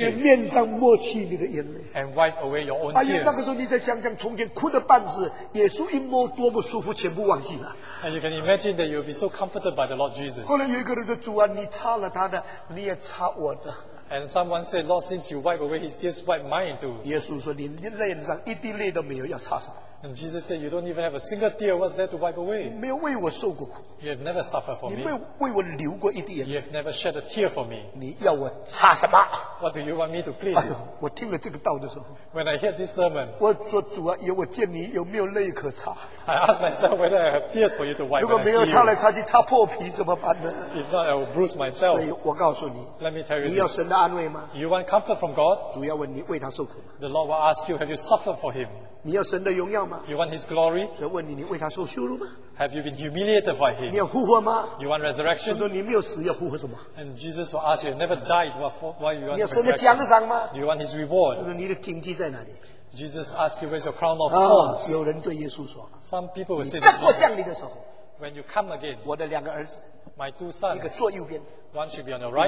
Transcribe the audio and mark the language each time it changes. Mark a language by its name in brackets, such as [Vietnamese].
[Chinese] 在你面上抹去你的眼泪。 [English] And wipe away your own tears. [Chinese] 哎呀，那个时候你再想想，从前哭得半死，耶稣一摸多么舒服，全部忘记了。 [English] And you can imagine that you will be so comforted by the Lord Jesus. [Chinese] 后来有一个人说，主啊，你擦了他的，你也擦我的。 [English] And someone said, Lord, since you wipe away his tears, wipe mine too. [Chinese] 耶稣说，你脸上一滴泪都没有，要擦什么？ [English] And Jesus said, you don't even have a single tear what's there to wipe away. [Chinese] 你没有为我受过苦。 [English] You have never suffered for me. [Chinese] 你没有为我流过一滴眼泪。 [English] You have never shed a tear for me. [Chinese] 你要我擦什么？ [English] What do you want me to clean? [Chinese] 哎呦，我听了这个道的时候， [English] When I hear this sermon, [Chinese] 我说主啊，有我见你有没有泪可擦？ [English] I ask myself whether I have tears for you to wipe. [Chinese] 如果没有擦来擦去擦破皮怎么办呢？ [English] If not, I will bruise myself. [Chinese] 所以我告诉你， [English] Let me tell you, [Chinese] 你要神的安慰吗？ [English] You want comfort from God? [Chinese] 主要问你为他受苦。 [English] The Lord will ask you, have you suffered for him? [Chinese] 你要神的荣耀吗？ [English] You want his glory? [Chinese] 所以问你，你为他受羞辱吗？ [English] Have you been humiliated by him? [Chinese] 你要复活吗？ [English] You want resurrection? [Chinese] 说你没有死，要复活什么？ [English] And Jesus will ask you, never died, why you want resurrection? [Chinese] 你要神的奖赏吗？ [English] You want his reward? [Chinese] 说你的荆棘在哪里？ [English] Jesus asks you, where's your crown of thorns? [Chinese] 有人对耶稣说， [English] Some people will say, [Chinese] 你再过降临的时候， [English] When you come again, [Chinese] 我的两个儿子， [English] My two sons, [Chinese] 一个坐右边， [English] One should be on your right,